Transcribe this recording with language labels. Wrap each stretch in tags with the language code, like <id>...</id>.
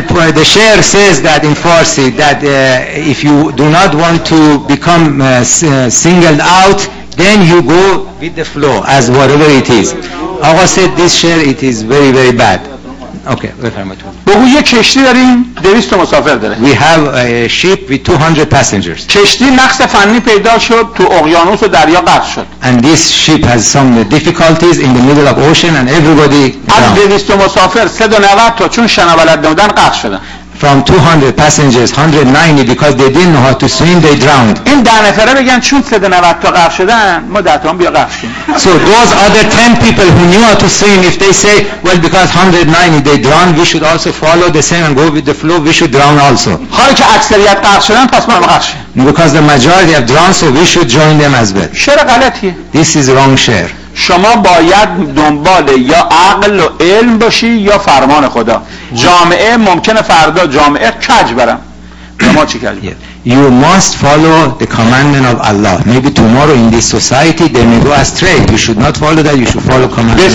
<en>The share says that in Farsi that if you do not want to become singled out, then you go with the flow as whatever it is. آقا said this share it is very very bad. Okay, بفرمایید.</en> <fa>بگو یه کشتی داریم 200 تا مسافر داره.</fa> <en>We have a ship with 200 passengers.</en> <fa>کشتی نقص فنی پیدا شد تو اقیانوس و دریا غرق شد.</fa> <en>And this ship has some difficulties in the middle of ocean and everybody</en> <fa>از 200 مسافر 390 تا چون شنا بلد نبودن غرق شدن.</fa> <en>From 200 passengers 190 because they didn't know how to swim they drowned.</en> <fa>این 10 نفره بگن چون 390 تا غرق شدن ما 10 تا هم بیا غرق شیم.</fa> <en>So those other 10 people who knew how to swim if they say well because 190 they drowned we should also follow the same and go with the flow we should drown also.</en> <fa>حالا که اکثریت غرق شدن پس ما هم غرق شیم.</fa> <en>Because the majority have drowned so we should join them as well.</en> <fa>شعر غلطیه.</fa> <en>This is wrong share.</en> <fa>شما باید دنبال یا عقل و علم باشی یا فرمان خدا. جامعه ممکنه فردا جامعه کج برم. شما چی کج برم؟</fa> <en>You must follow the commandment of Allah. Maybe tomorrow in this society they may go astray. You should not follow that. You should follow commandment.</en>